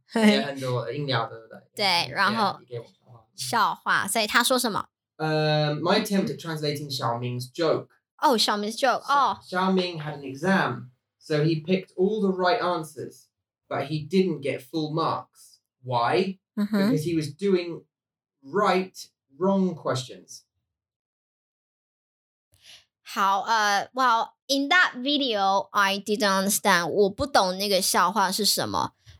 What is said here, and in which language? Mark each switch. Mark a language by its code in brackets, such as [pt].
[zh] 对，然后笑话，所以他说什么？ [en] My attempt at translating Xiao Ming's joke. Oh, Xiao Ming's joke. Oh. Xiao Ming had an exam, so he picked all the right answers, but he didn't get full marks. Why? Mm-hmm. Because he was doing right wrong questions. 好, well, in that video, I didn't understand. [zh] 我不懂那个笑话是什么。